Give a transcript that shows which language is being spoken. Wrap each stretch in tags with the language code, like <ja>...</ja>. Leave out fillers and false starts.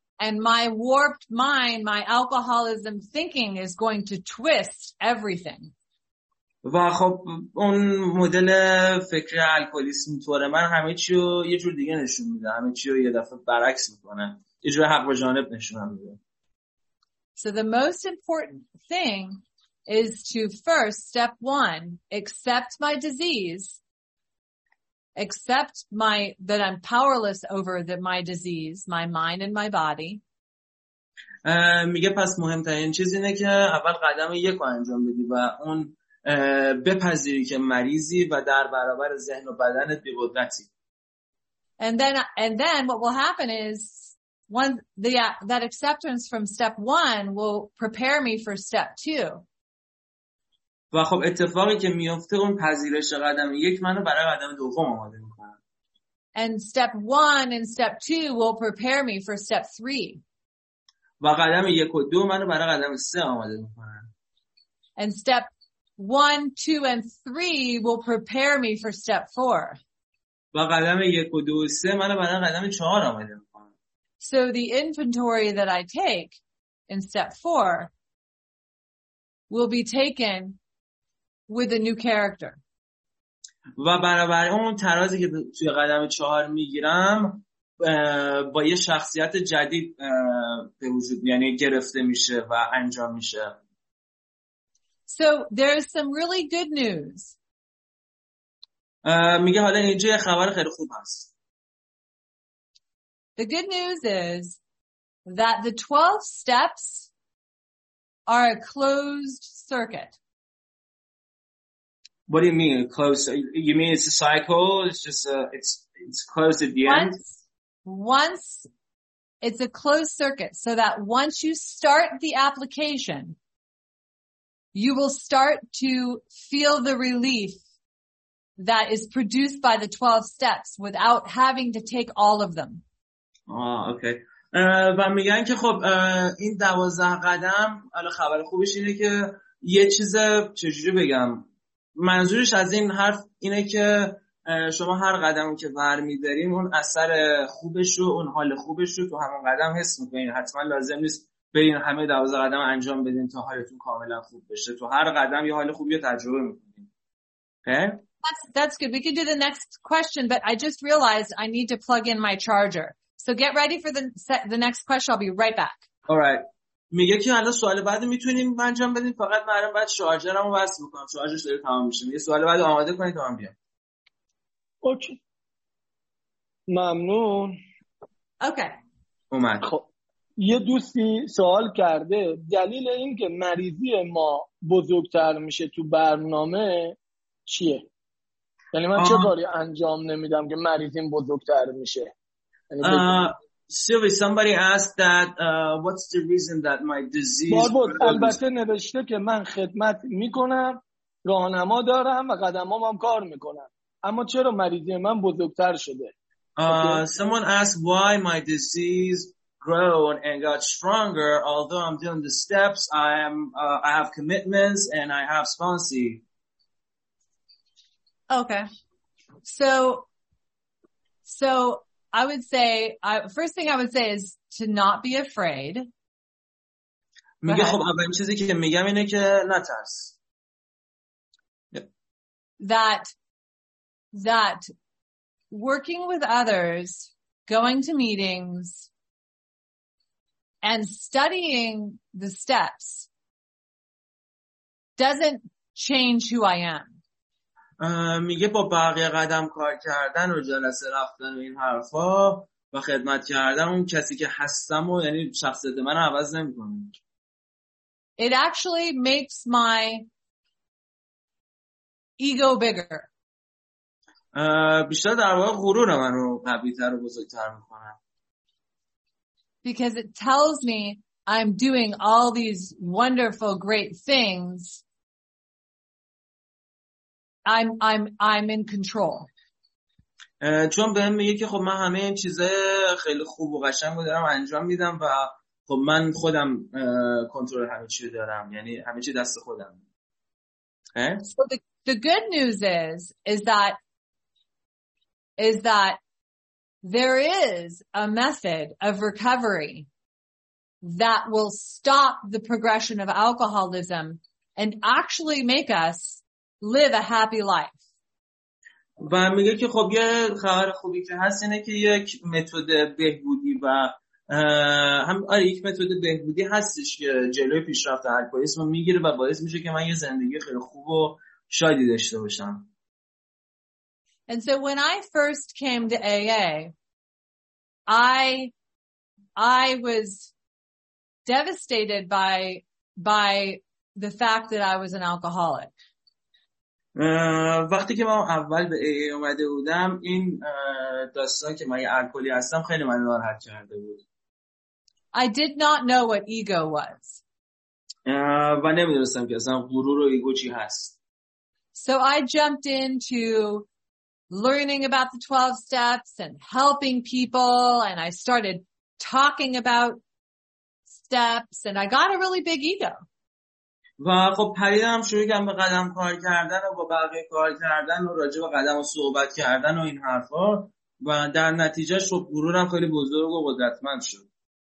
<en>And my warped mind, my alcoholism thinking is going to twist everything.</en> <fa>و خب اون مدل فکر الکلیسم طور من همه چی رو یه جور دیگه نشون میده، همه چی رو یه دفعه برعکس میکنه، یه جور حق بجانب نشونم میده.</fa> <en>So the most important thing is to first, step one, accept my disease, accept my that I'm powerless over the, my disease, my mind and my body.</en> <fa>میگه پس مهمترین چیز اینه که اول قدم یک رو انجام بدی و اون بپذیری که مریضی و در برابر ذهن و بدنت بی‌قدرتی.</fa> <en>And then what will happen is one that acceptance from step 1 will prepare me for step 2.</en> <fa>و خب اتفاقی که میفته اون پذیرش قدم یک منو برای قدم دوم آماده می‌کنه.</fa> <en>And step 1 and step 2 will prepare me for step 3.</en> <fa>و قدم یک و دو منو برای قدم سه آماده می‌کنه.</fa> <en>And step 1, 2 and 3 will prepare me for step 4.</en> <fa>و قدم یک و دو و سه منو برای قدم چهار آماده می‌کنه.</fa> <en>So the inventory that I take in step 4 will be taken with a new character.</en> <fa>و برابر اون ترازی که توی قدم 4 میگیرم با یه شخصیت جدید به وجود یعنی گرفته میشه و انجام میشه.</fa> <en>So there is some really good news.</en> <fa>میگه حالا اینجا یه خبر خیلی خوب هست.</fa> <en>The good news is that the 12 steps are a closed circuit. What do you mean, closed? You mean it's a cycle? It's just it's closed at the end? Once it's a closed circuit, so that once you start the application, you will start to feel the relief that is produced by the 12 steps without having to take all of them.</en> <fa>اوکی. و میگن که خب این 12 قدم حالا خبر خوبش اینه که یه چیز چجوری بگم، منظورش از این حرف اینه که شما هر قدمی که برمی‌دارین اون اثر خوبش رو اون حال خوبش رو تو همون قدم حس می‌کنین، حتما لازم نیست برین همه 12 قدم انجام بدین تا حالتون کاملا خوب بشه، تو هر قدم یه حال خوبی رو تجربه می‌کنین. اوکی.</fa> <en>That's good. We can do the next question, but I just realized I need to plug in my charger. So get ready for the next question. I'll be right back. All right.</en> <fa>میگه که حالا سوال بعدی میتونیم انجام بدیم، فقط معلوم بعد شارژرمو وصل بکنم. شارژش داره تمام میشه. یه سوال بعدی آماده کنید تا من بیام. اوکی. ممنون. اوکی. اومد. خب یه دوستی سوال کرده دلیل این که مریضی ما بزرگتر میشه تو برنامه چیه؟ یعنی من چه کاری انجام نمیدم که مریضیم بزرگتر میشه؟</fa> <en>Silvi, somebody asked that what's the reason that my disease</en> <fa>بود. البته نوشته که من خدمت میکنم، راهنما دارم و قدمام هم کار میکنم، اما چرا مریضی من بزرگتر شده؟</fa> <en>Someone asked why my disease grown and got stronger although I'm doing the steps, I have commitments and I have sponsee. Okay. So I would say first thing I would say is to not be afraid.</en> <fa>میگه خب اولین چیزی که میگم اینه که نترس.</fa> <en>That working with others, going to meetings and studying the steps doesn't change who I am.</en> <fa>میگه با بقیه قدم کار کردن و جلسه رفتن و این حرفا و خدمت کردن اون کسی که هستم و یعنی شخصیت من رو عوض نمی کنه.</fa> <en>It actually makes my ego bigger.</en> <fa>بیشتر در واقع غرور من رو قوی‌تر و بزرگتر میکنه.</fa> <en>Because it tells me I'm doing all these wonderful, great things. I'm in control.</en> <fa>چون بهم میگه که خب من همه این چیزای خیلی خوب و قشنگ رو دارم انجام میدم و خب من خودم کنترل همه چی دارم، یعنی همه چی دست خودم.</fa> <en>So the good news is that there is a method of recovery that will stop the progression of alcoholism and actually make us live a happy life.</en> <fa>و میگه که خب یه خبر خوبی که هست اینه که یک متد بهبودی و هم آره یک متد بهبودی هستش که جلوی پیشرفت الکلیسم رو میگیره و باعث میشه که من یه زندگی خیلی خوب و شادی داشته باشم.</fa> <en>And so when I first came to AA, I was devastated by the fact that I was an alcoholic.</en> <fa>وقتی که من اول به AA اومده بودم، این داستان که من الکلی هستم خیلی من ناراحت کرده بود.</fa> <en>I did not know what ego was.</en> <fa>و نمی‌دونستم که اصلا غرور و ایگو چی هست.</fa> <en>So I jumped into learning about the 12 steps and helping people, and I started talking about steps, and I got a really big ego.</en> <fa>و خب پریدم شروع کردم به قدم کار کردن و با بقیه کار کردن و راجع به قدم و صحبت کردن و این حرفا و در نتیجه شب غرورم خیلی بزرگ و قدرتمند شد.</fa>